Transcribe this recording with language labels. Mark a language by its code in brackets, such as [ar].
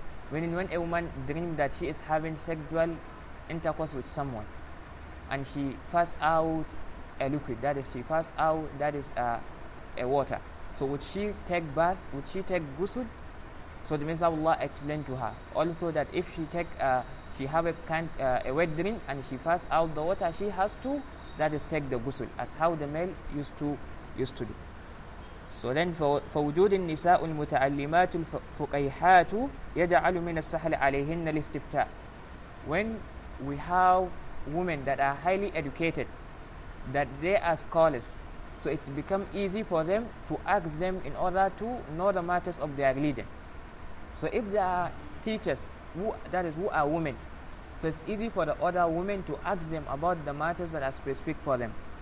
[en] Meaning when a woman dream that she is having sexual intercourse with someone, and she pass out a liquid, that is, she pass out, that is, a water. So would she take bath? Would she take ghusl? So the Messenger of Allah explained to her also that if she take, she have a wet dream and she pass out the water, she has to, that is, take the ghusl, as how the male used to do. So then, for [ar] وجود النساء المتعلمات الفقيحات يجعل من السهل عليهن الاستفتاء. [en] When we have women that are highly educated, that they are scholars. So it become easy for them to ask them in order to know the matters of their religion. So if there are teachers who are women, so it's easy for the other women to ask them about the matters that are specific for them.